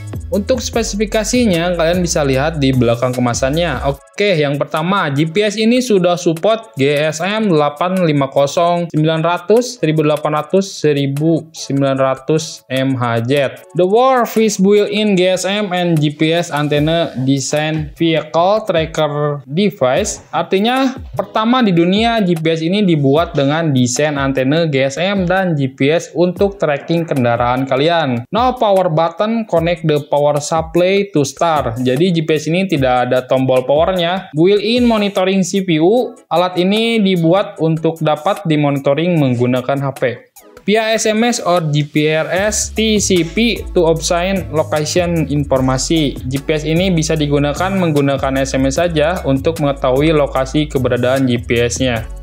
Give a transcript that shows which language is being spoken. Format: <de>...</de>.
<id>Untuk spesifikasinya, kalian bisa lihat di belakang kemasannya. Oke, yang pertama, GPS ini sudah support GSM 850, 900, 1800, 1900 MHz.</id> <en>The world is built in GSM and GPS antenna design vehicle tracker device.</en> <id>Artinya, pertama di dunia, GPS ini dibuat dengan desain antena GSM dan GPS untuk tracking kendaraan kalian.</id> <en>No power button, connect the power supply to start.</en> <id>Jadi GPS ini tidak ada tombol powernya.</id> <en>Built-in monitoring CPU,</en> <id>alat ini dibuat untuk dapat dimonitoring menggunakan HP.</id> <en>Via SMS or GPRS TCP to obtain location informasi.</en> <id>GPS ini bisa digunakan menggunakan SMS saja untuk mengetahui lokasi keberadaan GPS-nya.</id>